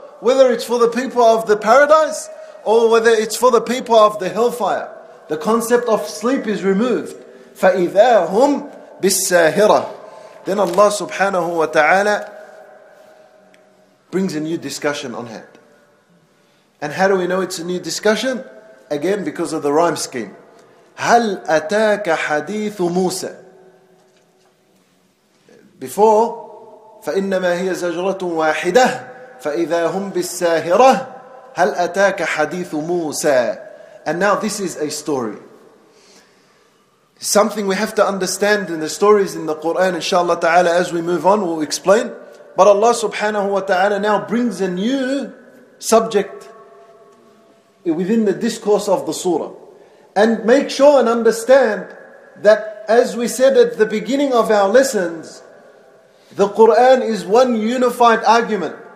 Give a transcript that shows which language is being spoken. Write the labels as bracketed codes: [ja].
[en] Whether it's for the people of the paradise, or whether it's for the people of the hellfire. The concept of sleep is removed. [ar] فَإِذَا هُمْ بِالسَّاهِرَةِ [en] Then Allah subhanahu wa ta'ala brings a new discussion on hand. And how do we know it's a new discussion? Again, because of the rhyme scheme. [ar] هَلْ أَتَاكَ حَدِيثُ مُوسَى [en] Before, [ar] فَإِنَّمَا هِيَ زَجْرَةٌ وَاحِدَةٌ فَإِذَا هُمْ بِالسَّاهِرَةِ هَلْ أَتَاكَ حَدِيثُ مُوسَى [en] And now this is a story. Something we have to understand in the stories in the Qur'an, inshallah ta'ala, as we move on, we'll explain. But Allah subhanahu wa ta'ala now brings a new subject within the discourse of the surah. And make sure and understand that as we said at the beginning of our lessons, the Qur'an is one unified argument.